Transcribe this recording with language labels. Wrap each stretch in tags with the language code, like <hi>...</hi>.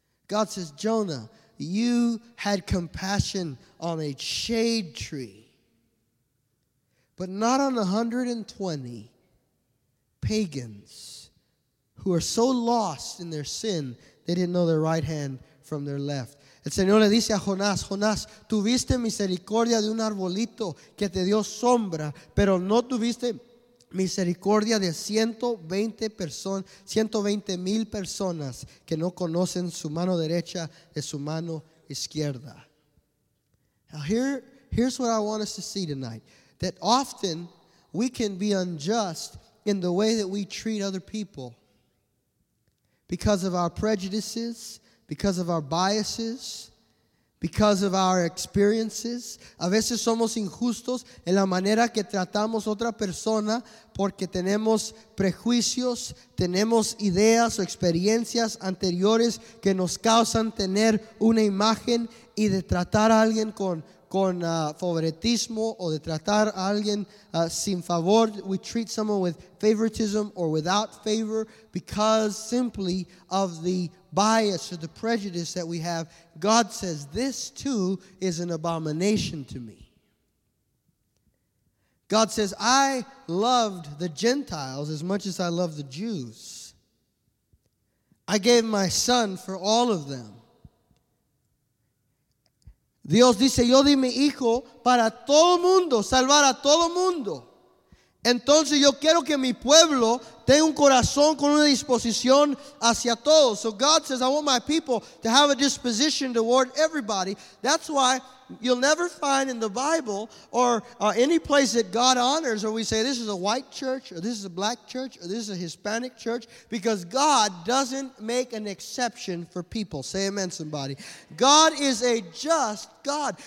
<en>God says, Jonah, you had compassion on a shade tree, but not on 120 pagans who are so lost in their sin they didn't know their right hand from their left.</en> <es>El Señor le dice a Jonás, Jonás, tuviste misericordia de un arbolito que te dio sombra, pero no tuviste misericordia de 120,000 personas que no conocen su mano derecha de su mano izquierda.</es> <en>Now here's what I want us to see tonight. That often we can be unjust in the way that we treat other people because of our prejudices, because of our biases, because of our experiences.</en> <es>A veces somos injustos en la manera que tratamos otra persona porque tenemos prejuicios, tenemos ideas o experiencias anteriores que nos causan tener una imagen y de tratar a alguien con favoritismo o de tratar a alguien sin favor.</es> <en>We treat someone with favoritism or without favor because simply of the bias or the prejudice that we have. God says, this too is an abomination to me. God says, I loved the Gentiles as much as I love the Jews. I gave my son for all of them.</en> <es>Dios dice, yo di mi hijo para todo mundo, salvar a todo mundo. Entonces yo quiero que mi pueblo tenga un corazón con una disposición hacia todos.</es> <en>So God says, I want my people to have a disposition toward everybody. That's why you'll never find in the Bible or any place that God honors or we say this is a white church or this is a black church or this is a Hispanic church, because God doesn't make an exception for people. Say amen, somebody. God is a just God.</en>